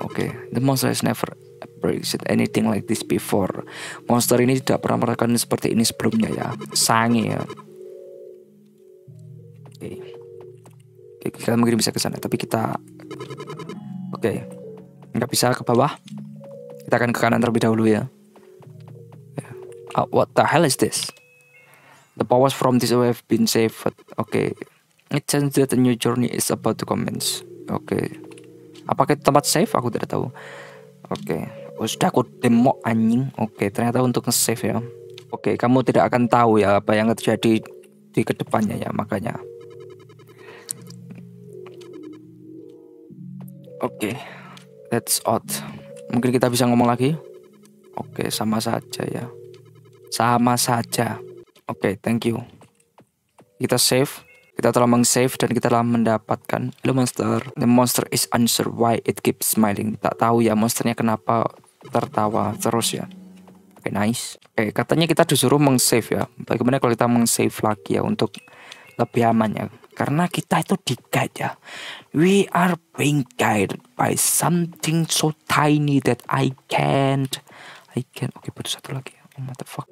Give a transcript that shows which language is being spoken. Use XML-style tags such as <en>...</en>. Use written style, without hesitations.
<en>Oke, the monster has never appreciated anything like this before.</en> <id>Monster ini tidak pernah merasakan seperti ini sebelumnya ya. Sangi ya. Oke. Kita mungkin bisa ke sana, tapi kita oke. Enggak bisa ke bawah. Kita akan ke kanan terlebih dahulu ya.</id> <en>What the hell is this? The powers from this way have been saved. Oke. It seems that a new journey is about to commence.</en> <id>Oke. Apakah itu tempat save? Aku tidak tahu. Oke. Oh, sudah aku demo anjing. Oke, ternyata untuk nge-save ya. Oke, kamu tidak akan tahu ya apa yang terjadi di kedepannya ya, makanya. Oke, okay,</id> <en>that's odd.</en> <id>Mungkin kita bisa ngomong lagi. Oke, okay, sama saja ya. Sama saja. Oke, okay,</id> <en>thank you.</en> <id>Kita save. Kita telah meng-save dan kita telah mendapatkan.</id> <en>Hello monster. The monster is unsure why it keeps smiling.</en> <id>Tak tahu ya monsternya kenapa tertawa terus ya. Oke, okay, nice. Oke, okay, katanya kita disuruh meng-save ya. Bagaimana kalau kita meng-save lagi ya untuk lebih aman ya. Karena kita itu di-guide ya.</id> <en>We are being guided by something so tiny that I can't.</en> <id>Oke, butuh satu lagi.</id> <en>Oh, what the fuck.</en>